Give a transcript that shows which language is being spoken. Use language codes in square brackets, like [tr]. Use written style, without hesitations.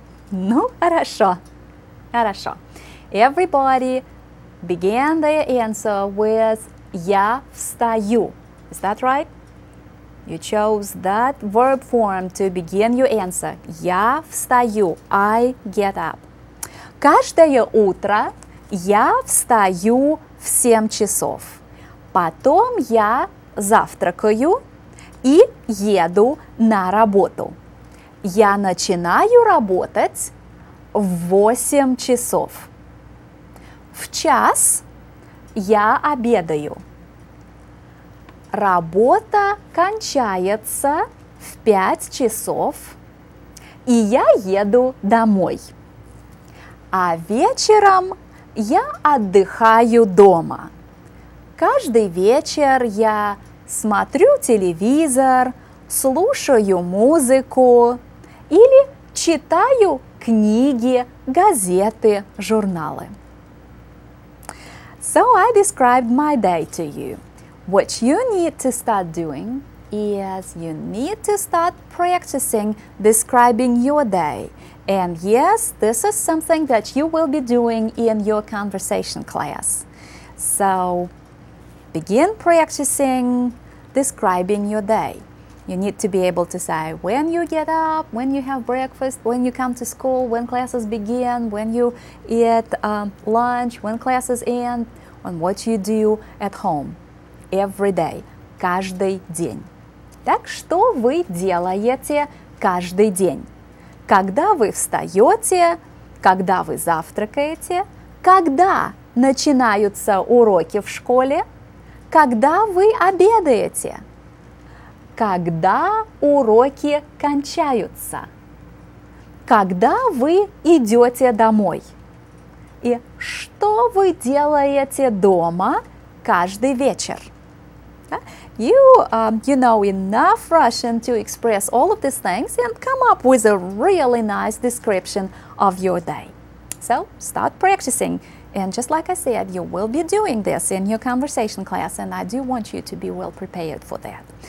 [ru] Ну, хорошо. Хорошо. [en] Everybody began their answer with [ru] я встаю. [en] Is that right? You chose that verb form to begin your answer. [ru] Я встаю. [en] I get up. [ru] Каждое утро я встаю в 7 часов. Потом я завтракаю и еду на работу. Я начинаю работать в 8 часов. В час я обедаю. Работа кончается в 5 часов, и я еду домой. А вечером я отдыхаю дома. Каждый вечер я смотрю телевизор, слушаю музыку или читаю книги, газеты, журналы. [en] So I described my day to you. What you need to start doing is you need to start practicing describing your day. And yes, this is something that you will be doing in your conversation class. So begin practicing describing your day. You need to be able to say when you get up, when you have breakfast, when you come to school, when classes begin, when you eat lunch, when classes end, and what you do at home. Every day, [ru] каждый день. Так что вы делаете каждый день? Когда вы встаете? Когда вы завтракаете? Когда начинаются уроки в школе? Когда вы обедаете? Когда уроки кончаются? Когда вы идете домой? И что вы делаете дома каждый вечер? [en] You know enough Russian to express all of these things and come up with a really nice description of your day. So start practicing. And just like I said, you will be doing this in your conversation class, and I do want you to be well prepared for that.